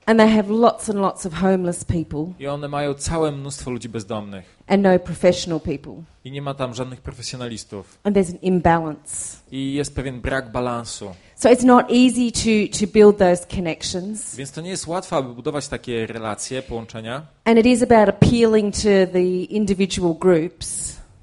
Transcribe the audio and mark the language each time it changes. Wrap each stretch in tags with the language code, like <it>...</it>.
<en>And they have lots and lots of homeless people.</en> <pl>I one mają całe mnóstwo ludzi bezdomnych.</pl> <en>And no professional people.</en> <pl>I nie ma tam żadnych profesjonalistów.</pl> <en>And there's an imbalance.</en> <pl>I jest pewien brak balansu.</pl> <en>So it's not easy to build those connections.</en> <pl>Więc to nie jest łatwe, aby budować takie relacje, połączenia.</pl> <en>And it is about appealing to the individual groups.</en>